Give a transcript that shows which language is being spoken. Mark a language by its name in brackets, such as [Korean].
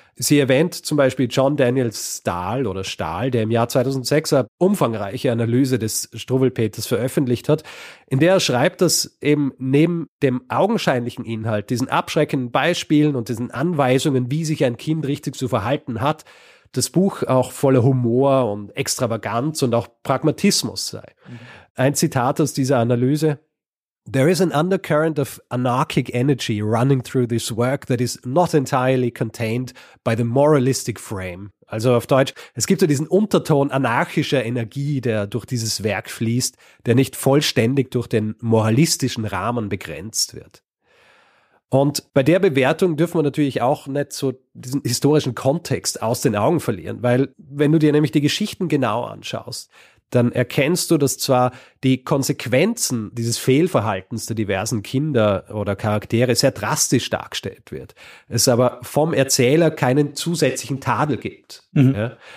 [German] Sie erwähnt zum Beispiel John Daniel Stahl oder Stahl, der im Jahr 2006 eine umfangreiche Analyse des Struwwelpeters veröffentlicht hat, in der er schreibt, dass eben neben dem augenscheinlichen Inhalt, diesen abschreckenden Beispielen und diesen Anweisungen, wie sich ein Kind richtig zu verhalten hat, das Buch auch voller Humor und Extravaganz und auch Pragmatismus sei. Ein Zitat aus dieser Analyse: [English] "There is an undercurrent of anarchic energy running through this work that is not entirely contained by the moralistic frame." [German] Also auf Deutsch, es gibt so diesen Unterton anarchischer Energie, der durch dieses Werk fließt, der nicht vollständig durch den moralistischen Rahmen begrenzt wird. Und bei der Bewertung dürfen wir natürlich auch nicht so diesen historischen Kontext aus den Augen verlieren, weil wenn du dir nämlich die Geschichten genau anschaust, dann erkennst du, dass zwar die Konsequenzen dieses Fehlverhaltens der diversen Kinder oder Charaktere sehr drastisch dargestellt wird, es aber vom Erzähler keinen zusätzlichen Tadel gibt. Mhm. Ja?